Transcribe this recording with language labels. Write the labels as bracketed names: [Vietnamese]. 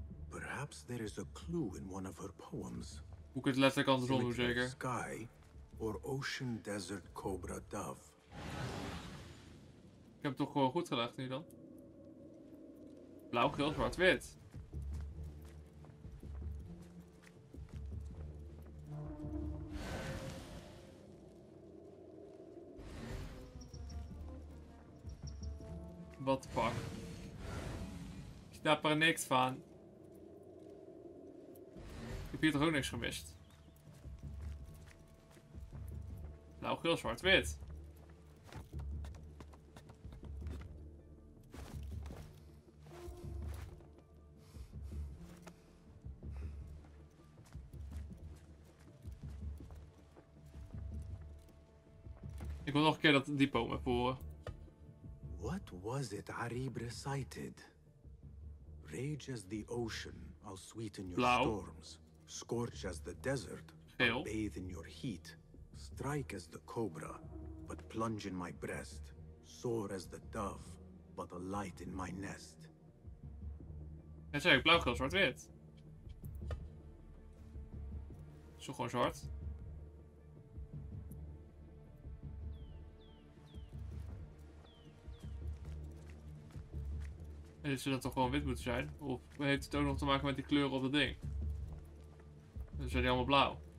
[English] Perhaps there is a clue in one of her poems. [Dutch] Hoe ik het letterlijk andersom doe, zeker. [English] Sky or ocean desert cobra dove. [Dutch] Ik heb het toch gewoon goed gelegd nu dan. Blauw, geel, zwart, wit. [English] What the fuck? [Dutch] Ik snap er niks van. Ik heb hier toch ook niks gemist. Nou, geel, zwart, wit. Ik wil nog een keer dat diploma voor. [English] What was it Arib recited? Rage as the ocean, I'll sweeten your Blauw. Storms. Scorch as the desert, [Dutch] Geel. [English] I'll bathe in your heat. Strike as the cobra, but plunge in my breast. Soar as the dove, but alight in my nest. [Dutch] En zeg, blauw, geel, zwart, wit. Zo gewoon zwart. En zou dat toch gewoon wit moeten zijn? Of heeft het ook nog te maken met die kleuren op het ding? Dan zijn die allemaal blauw.